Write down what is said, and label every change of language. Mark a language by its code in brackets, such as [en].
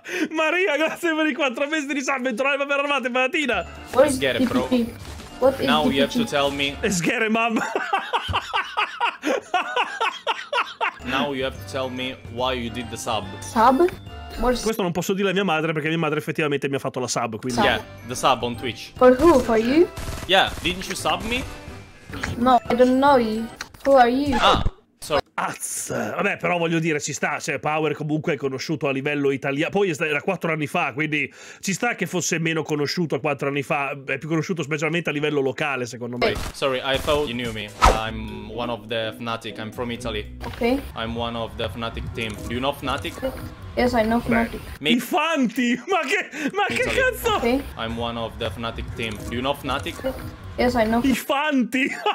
[it] Maria, grazie per i 4 mesi di sub, bentornati, ben arrivati, mattina. [en] What is Sghere, bro? What is now DPG? You have to tell me. [it] Sghere, mamma. [en] Now you have to tell me why you did the sub. Sub? [it] Questo non posso dire a mia madre perché mia madre effettivamente mi ha fatto la sub, quindi [en] yeah, the sub on Twitch. For who? For you? Yeah, didn't you sub me? No, I don't know you. Who are you? Ah, sorry. [it] Azz. Vabbè, però voglio dire, ci sta, cioè Power comunque è conosciuto a livello italiano. Poi era 4 anni fa, quindi ci sta che fosse meno conosciuto 4 anni fa, è più conosciuto specialmente a livello locale, secondo me. [en] Sorry, I thought you knew me. I'm one of the Fnatic, I'm from Italy. Okay. I'm one of the Fnatic team. Do you know Fnatic? Yes, I know Fnatic. [it] I Fanti! Ma che cazzo? [en] Okay. I'm one of the Fnatic team. Do you know Fnatic? Yes, I know. [it] I Fanti!